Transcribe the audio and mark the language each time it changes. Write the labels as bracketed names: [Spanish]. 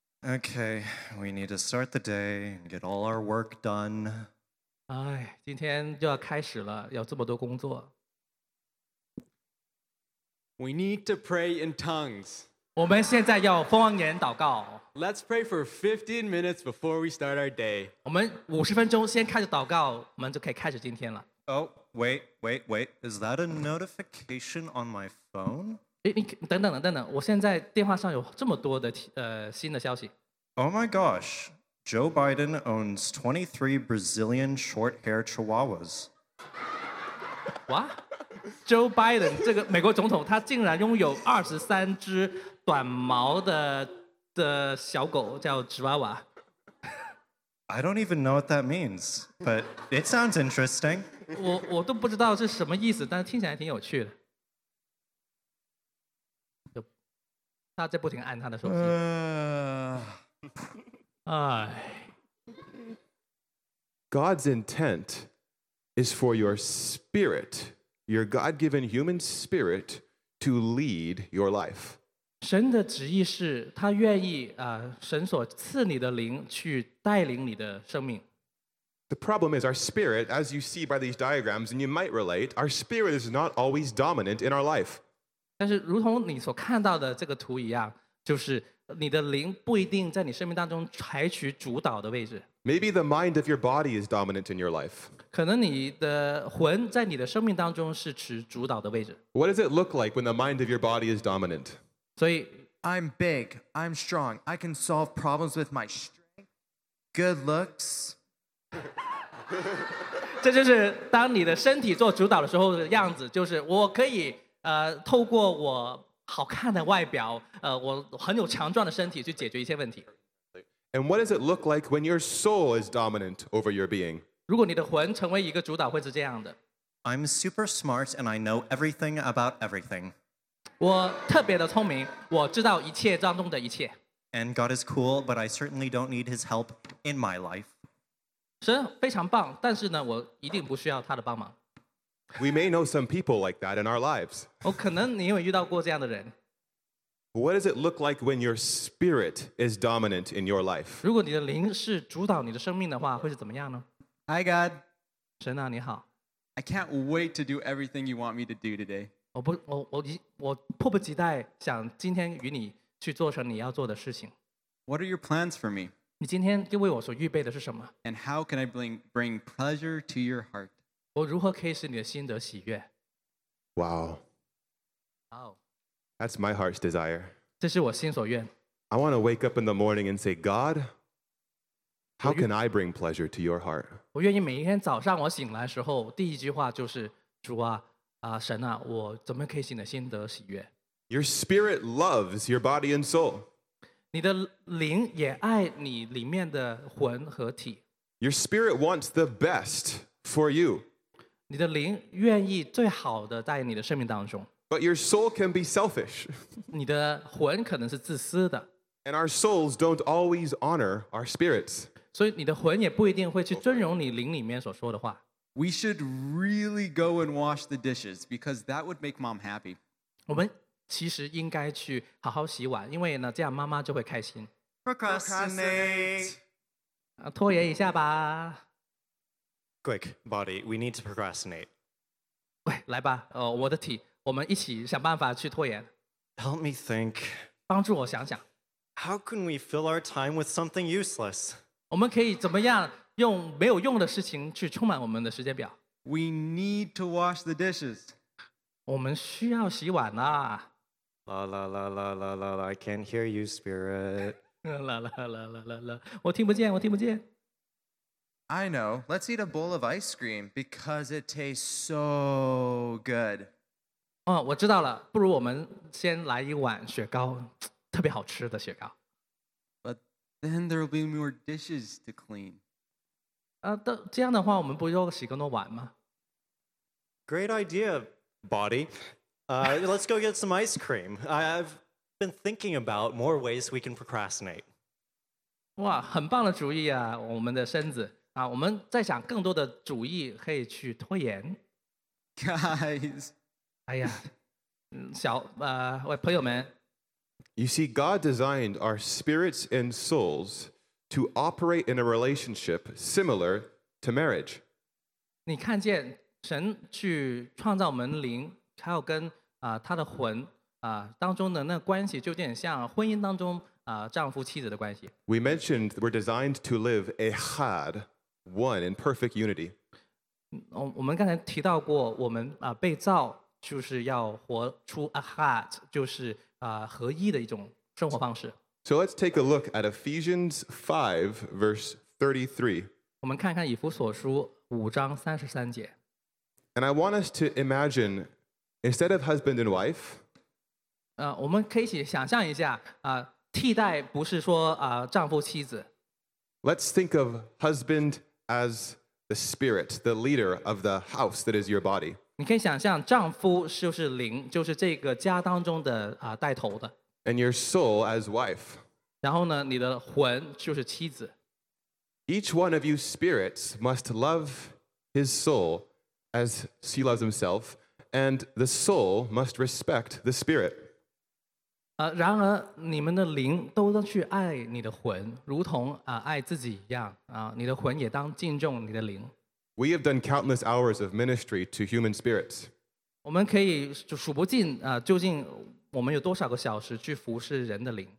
[English] Okay, we need to start the day and get all our work done. [Chinese] 今天就要开始了，有这么多工作。 [English] We need to pray in tongues. [Chinese] 我们现在要方言祷告。 [English] Let's pray for 15 minutes before we start our day. [Chinese] 我们50分钟先开始祷告，我们就可以开始今天了。 [English] Oh, wait. Is that a notification on my phone? [Chinese] 等等，我现在电话上有这么多的新的消息。 [English] Oh my gosh, Joe Biden owns 23 Brazilian short hair chihuahuas. What? [Chinese] Joe Biden, 这个美国总统，他竟然拥有23只短毛的小狗，叫吉娃娃。 [English] I don't even know what that means, but it sounds interesting. [Chinese] 我都不知道是什么意思，但是听起来挺有趣的。他在不停按他的手机。 [English] God's intent is for your spirit, your God-given human spirit, to lead your life. [Chinese] 神的旨意是他愿意神所赐你的灵去带领你的生命。 [English] The problem is our spirit, as you see by these diagrams, and you might relate, our spirit is not always dominant in our life. [Chinese] 但是如同你所看到的这个图一样，就是你的灵不一定在你生命当中采取主导的位置。 [English] Maybe the mind of your body is dominant in your life. [Chinese] 可能你的魂在你的生命当中是持主导的位置。 [English] What does it look like when the mind of your body is dominant? [Chinese] 所以 [English] I'm big, I'm strong, I can solve problems with my strength, good looks. [Chinese] 这就是当你的身体做主导的时候的样子，就是我可以透过我好看的外表，我很有强壮的身体去解决一些问题。 [English] And what does it look like when your soul is dominant over your being? [Chinese] 如果你的魂成为一个主导，会是这样的。 [English] I'm super smart and I know everything about everything. [Chinese] 我特别的聪明，我知道一切当中的一切。 [English] And God is cool, but I certainly don't need his help in my life. [Chinese] 神非常棒，但是呢，我一定不需要他的帮忙。 [English] We may know some people like that in our lives. [Chinese] 可能你有遇到过这样的人。 [English] What does it look like when your spirit is dominant in your life? [Chinese] 如果你的灵是主导你的生命的话，会是怎么样呢？ [English] Hi, God. [Chinese] 神啊，你好。 [English] I can't wait to do everything you want me to do today. [Chinese] 我迫不及待想今天与你去做成你要做的事情。 [English] What are your plans for me? [Chinese] 你今天为我所预备的是什么？ [English] And how can I bring pleasure to your heart? [Chinese] 我如何可以使你的心得喜悦？ [English] Wow. Wow. That's my heart's desire. [Chinese] 这是我心所愿。 [English] I want to wake up in the morning and say, God, how can I bring pleasure to your heart? [Chinese] 我愿意每一天早上我醒来时候，第一句话就是，主啊，神啊，我怎么可以使你的心得喜悦？ [English] Your spirit loves your body and soul. [Chinese] 你的灵也爱你里面的魂和体。 [English] Your spirit wants the best. For you. [Chinese] 你的灵愿意最好的在你的生命当中。 [English] But your soul can be selfish. [Chinese] 你的魂可能是自私的。 [English] And our souls don't always honor our spirits. [Chinese] 所以你的魂也不一定会去尊荣你灵里面所说的话。 [English] We should really go and wash the dishes because that would make mom happy. [Chinese] 我们其实应该去好好洗碗，因为呢，这样妈妈就会开心。 [English] Procrastinate. [Chinese] 拖延一下吧。 [English] Quick, body, we need to procrastinate. [Chinese] 喂，来吧，我的体，我们一起想办法去拖延。 [English] Help me think. [Chinese] 帮助我想想。 [English] How can we fill our time with something useless? [Chinese] 我们可以怎么样用没有用的事情去充满我们的时间表？ [English] We need to wash the dishes. [Chinese] 我们需要洗碗啊。 [English] La la la la la la la, I can't hear you, spirit. [Chinese] La la la la la la, 我听不见，我听不见。 [English] I know. Let's eat a bowl of ice cream because it tastes so good. [Chinese] 我知道了。不如我们先来一碗雪糕，特别好吃的雪糕。 [English] But then there will be more dishes to clean. [Chinese] 这样的话，我们不就洗更多碗吗？ [English] Great idea, body. let's go get some ice cream. I've been thinking about more ways we can procrastinate. [Chinese] 哇，很棒的主意啊，我们的身子。我们在想更多的主意可以去拖延。 [English] Guys. [Chinese] 哎呀，小，喂，朋友们。 [English] You see, God designed our spirits and souls to operate in a relationship similar to marriage. [Chinese] 你看见神去创造我们灵，还有跟他的魂当中的那关系，就有点像婚姻当中丈夫妻子的关系。 [English] We mentioned we're designed to live echad. One in perfect unity. [Chinese] 我们刚才提到过，我们被造就是要活出 ahad， 就是合一的一种生活方式。 [English] So let's take a look at Ephesians 5, verse 33. [Chinese] 我们看看以弗所书五章三十三节。 [English] And I want us to imagine, instead of husband and wife, [Chinese] 我们可以一起想象一下，替代不是说丈夫妻子。 [English] Let's think of husband as the spirit, the leader of the house that is your body. [Chinese] 你可以想象丈夫就是灵，就是这个家当中的带头的。 [English] And your soul as wife. [Chinese] 然后呢，你的魂就是妻子。 [English] Each one of you spirits must love his soul as she loves himself, and the soul must respect the spirit. [Chinese] 然而你们的灵都要去爱你的魂，如同爱自己一样，你的魂也当敬重你的灵。 [English] We have done countless hours of ministry to human spirits. [Chinese] 我们可以数不尽究竟我们有多少个小时去服侍人的灵。